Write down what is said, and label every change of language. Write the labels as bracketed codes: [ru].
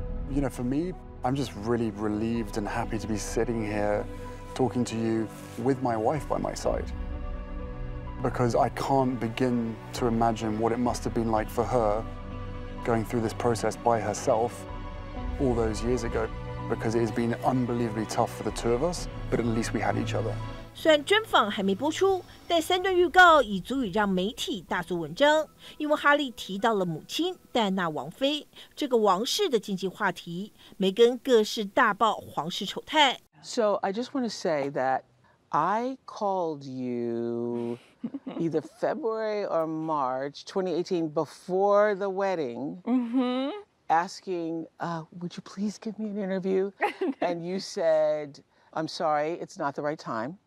[en] You know, for me, I'm just really relieved and happy to be sitting here talking to you with my wife by my side. Because I can't begin to imagine what it must have been like for her going through this process by herself all those years ago. Because it has been unbelievably tough for the two of us, but at least we had each other. [zh] 虽然专访还没播出，但三段预告已足以让媒体大做文章。因为哈利提到了母亲戴安娜王妃，这个王室的禁忌话题，梅根各式大爆皇室丑态。 [en] So I just want to say that I called you either February or March 2018 before the wedding. Mm-hmm. Asking, would you please give me an interview? And you said, I'm sorry, it's not the right time.